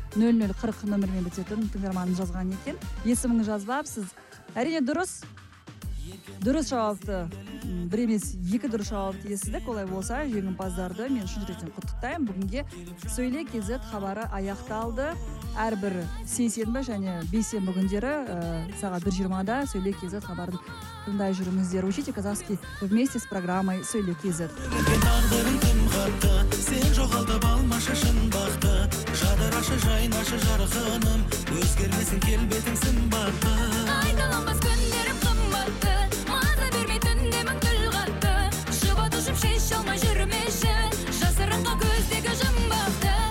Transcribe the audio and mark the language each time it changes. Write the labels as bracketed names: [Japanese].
[Kazakh] 0040 нөмірмен бітетін тыңдарманын жазған екен. Есіміңіз жазбапсыз. Әрине дұрыс. Дұрыс жауапты. Бір емес, екі дұрыс жауапты естідік. Олай болса, жеңімпаздарды мен шын жүректен құттықтаймын. Бүгінге сөйле кезі хабары аяқталды. Әрбір сейсенбі және бейсенбі күндері сағат 1:20 сөйле кезі хабарын тыңдай жүріңіздер. [Russian] Учите казахский вместе с программой сөйле кезі. [Kazakh] Сен жоғалтып алмашы шын бақты, жадырашы жайнашы жарқыным, өзгермесін келбетің сымбатты. Айталанбас күндерім қымбатты, маза бермей түндемін күл қатты, шыба тұшып шеш алмай жүрмеші, жасырынға көздегі жымбақты.